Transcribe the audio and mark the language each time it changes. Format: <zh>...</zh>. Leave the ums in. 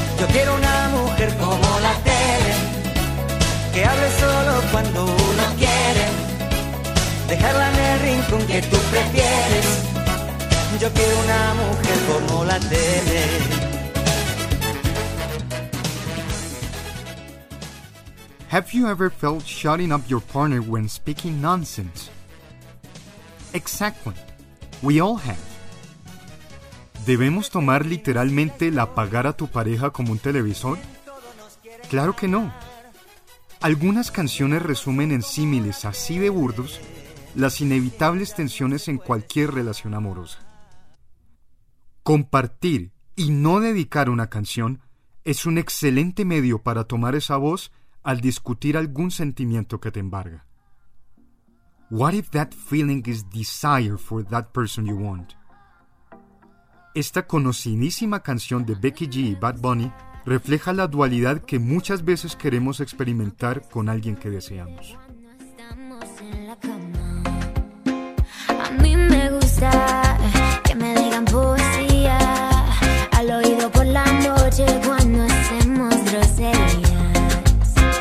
<es>Yo quiero una mujer como la tele, que hable solo cuando uno quiere, dejarla en el rincón que tú prefieres. Yo quiero una mujer como la tele.</es> <en>Have you ever felt shutting up your partner when speaking nonsense? Exactly. We all have.</en> <es>¿Debemos tomar literalmente el apagar a tu pareja como un televisor? Claro que no. Algunas canciones resumen en símiles así de burdos las inevitables tensiones en cualquier relación amorosa. Compartir y no dedicar una canción es un excelente medio para tomar esa voz al discutir algún sentimiento que te embarga.</es> <en>What if that feeling is desire for that person you want?</en> <es>Esta conocidísima canción de Becky G y Bad Bunny refleja la dualidad que muchas veces queremos experimentar con alguien que deseamos. a mí me gusta que me digan poesía al oído por la noche cuando hacemos groserías.</es>